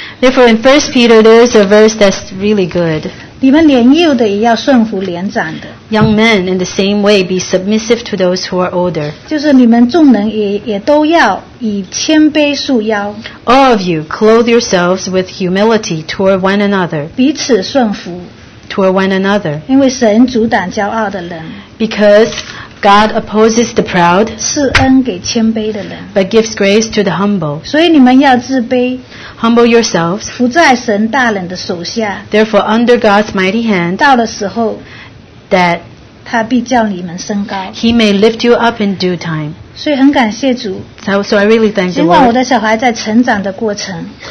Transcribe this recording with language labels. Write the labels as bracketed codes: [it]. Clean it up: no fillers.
[en] Therefore, in 1 Peter, there is a verse that's really good. [zh] 你们年幼的也要顺服年长的。 [en] Young men, in the same way, be submissive to those who are older. [zh] 就是你们众人也都要以谦卑束腰。 [en] All of you, clothe yourselves with humility toward one another. [zh] 彼此顺服。 [en] Toward one another. [zh] 因为神阻挡骄傲的人。 [en] Because God opposes the proud, [zh] 施恩给谦卑的人, [en] but gives grace to the humble. [zh] 所以你们要自卑, [en] humble yourselves, [zh] 伏在神大人的手下, [en] therefore under God's mighty hand, [zh] 到了时候, [en] that [zh] 他必叫你们升高, [en] he may lift you up in due time. [zh] 所以很感谢主, [en] so I really thank the Lord. [zh] 希望我的小孩在成长的过程,